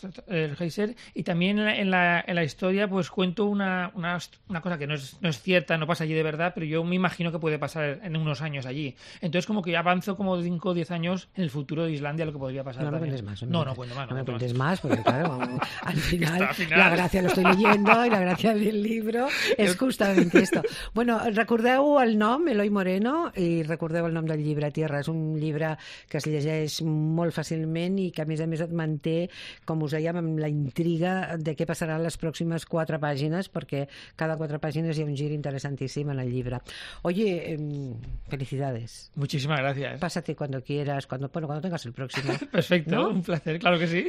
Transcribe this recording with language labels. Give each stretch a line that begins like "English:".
Spanish: El geyser, y también en la historia, pues cuento una cosa que no es cierta, no pasa allí de verdad, pero yo me imagino que puede pasar en unos años allí. Entonces, como que ya avanzo como 5 o 10 años en el futuro de Islandia, lo que podría pasar. No, también. No cuentes más. No, no cuento más. No, no me cuentes más, porque claro, al final, la gracia lo estoy leyendo y la gracia del libro es justamente esto.
Catalan: Bueno, recordeu el nom, Eloi Moreno, y recordeu el nom del llibre, Tierra. És un llibre que es llegeix molt fàcilment i que, a més, et manté, com us dèiem, amb la intriga de què passarà les pròximes 4 pàgines, perquè cada 4 pàgines hi ha un gir interessantíssim en el llibre.
Spanish: Oye, felicidades. Muchísimas gracias. Pásate cuando quieras, cuando tengas el próximo. Perfecto, ¿no? Un placer, claro que sí.